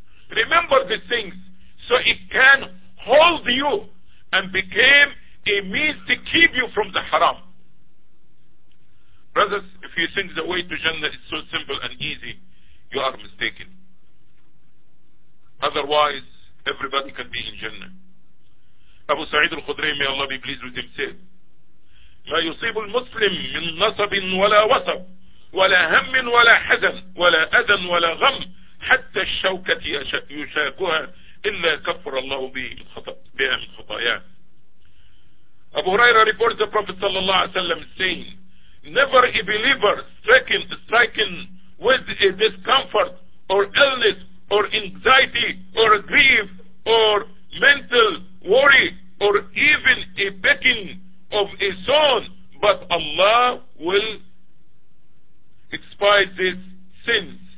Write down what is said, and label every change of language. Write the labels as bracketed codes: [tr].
[en] Remember these things so it can hold you and became a means to keep you from the haram. Brothers, if you think the way to Jannah is so simple and easy, you are mistaken. Otherwise, everybody can be in Jannah. Abu Sa'id al-Khudri, may Allah be pleased with him, said, [ar] لا يصيب المسلم من نصب ولا وصب ولا هم ولا حزن ولا أذن ولا غم حتى الشوكة يشاكها إلا كفر الله بها من خطاياه. [en] Abu Huraira reports the Prophet sallallahu alaihi wasallam saying, never a believer striking with a discomfort or illness or anxiety or grief or mental worry or even a pecking of a son, but Allah will expiate his sins.